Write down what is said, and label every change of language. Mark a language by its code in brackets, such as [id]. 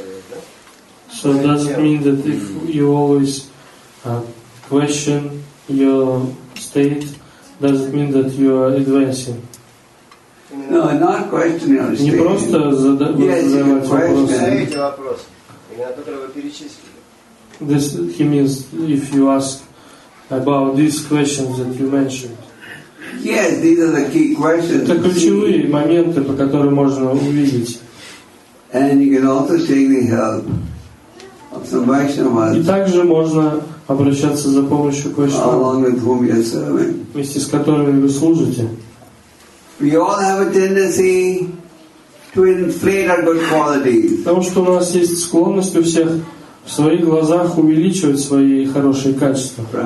[ru] прогресс, да? [en] So does it mean that if you always question your state, does it mean that you are advancing? No, not questioning your state. [ru] Не просто задавать вопросы. Именно то, которое вы перечислили. [en] This he means if you ask about these questions that you mentioned. Yes, these are the key questions. [ru] Это ключевые моменты, по которым можно увидеть. [en] And you can also take the help of some Vaishnavas. [ru] И также можно обращаться за помощью к Вайшнавам. [en] Along with whom you're serving. [ru] Вместе с которыми вы служите. [en] We all have a tendency to inflate our good qualities. [ru] Потому что у нас есть склонность у всех в своих глазах увеличивать свои хорошие качества.